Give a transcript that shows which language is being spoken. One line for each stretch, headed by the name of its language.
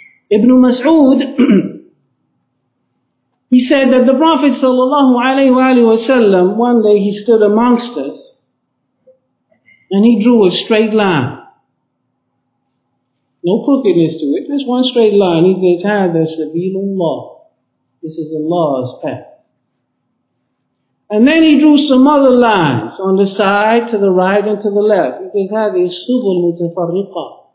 English: Ibn Mas'ud, he said that the Prophet ﷺ, one day he stood amongst us and he drew a straight line. No crookedness to it, just one straight line. He says,
Arabic: هَذَا سَبِيلُ اللَّهِ.
English: This is Allah's path. And then he drew some other lines on the side, to the right and to the left. He says,
Arabic: هَذِي سُبُلْ مُتَفَرِّقَةً.